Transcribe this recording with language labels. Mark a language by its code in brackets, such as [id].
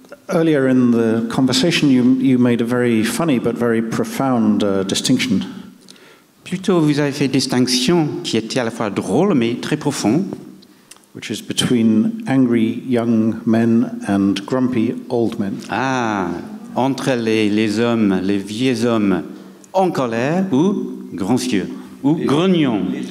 [en] Earlier in the conversation, you made a very funny but very profound distinction. [fr] Plutôt, vous avez fait une distinction qui était à la fois drôle mais très profonde. [en] Which is between angry young men and grumpy old men. [fr] Ah, entre les hommes, les vieux hommes en colère ou grands yeux ou les grognons.